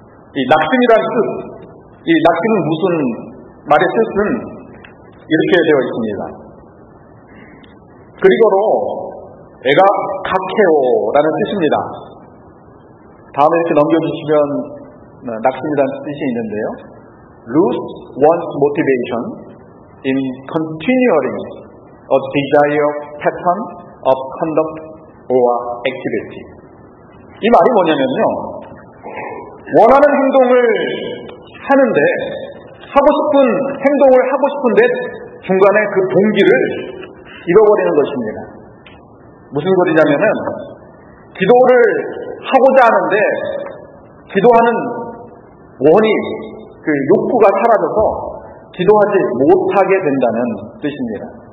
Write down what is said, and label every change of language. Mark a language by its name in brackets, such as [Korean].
[Korean] 이 낙심이라는 뜻, 이 낙심은 무슨 말의 뜻은 이렇게 되어 있습니다. 그리고로 애가 카케오라는 뜻입니다. 다음에 이렇게 넘겨주시면 낙심이라는 뜻이 있는데요. [English] Lose one's motivation in continuing a desire pattern of conduct or activity. [Korean] 이 말이 뭐냐면요, 원하는 행동을 하는데 하고 싶은 행동을 하고 싶은데 중간에 그 동기를 잃어버리는 것입니다. 무슨 소리냐면은 기도를 하고자 하는데 기도하는 원이, 그 욕구가 사라져서 기도하지 못하게 된다는 뜻입니다.